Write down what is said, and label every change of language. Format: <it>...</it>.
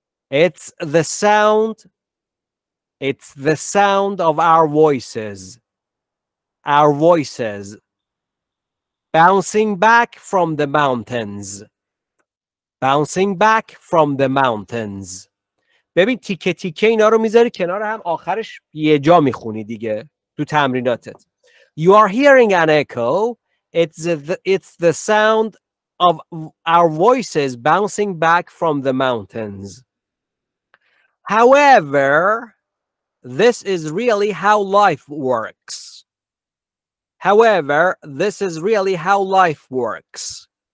<en>It's the sound of our voices bouncing back from the mountains.</en> <fa>ببین تیکه تیکه اینا رو میذاری کنار هم، آخرش یه جا میخونی دیگه تو تمریناتت.</fa> <en>You are hearing an echo. It's the sound of our voices bouncing back from the mountains. However, this is really how life works. However, this is really how life works.</en>